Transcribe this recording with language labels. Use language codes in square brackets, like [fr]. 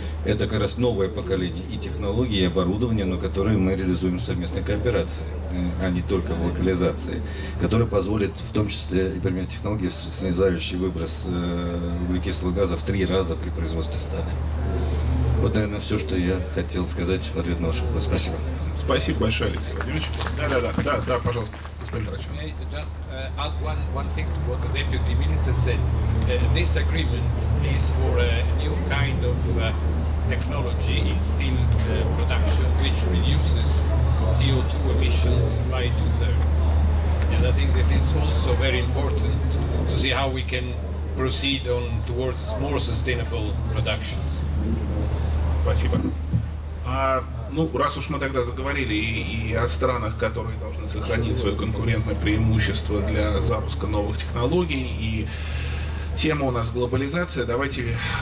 [ru] Это как раз новое поколение и технологий, и оборудования, но которые мы реализуем в совместной кооперации, а не только в локализации, которая позволит в том числе и применять технологии, снижающие выброс углекислого газа в 3 раза при производстве стали. Вот, наверное, все, что я хотел сказать в ответ на ваш вопрос. Спасибо. Спасибо большое, Алексей Владимирович. Да, пожалуйста. [en] Just add one thing to what the deputy minister said. This agreement is for a new kind of technology in steel production, which reduces CO2 emissions by 2/3. And I think this is also very important to see how we can proceed on towards more sustainable productions. [ru] Спасибо. Ну, раз уж мы тогда заговорили и о странах, которые должны сохранить свое конкурентное преимущество для запуска новых технологий, и тема у нас глобализация, давайте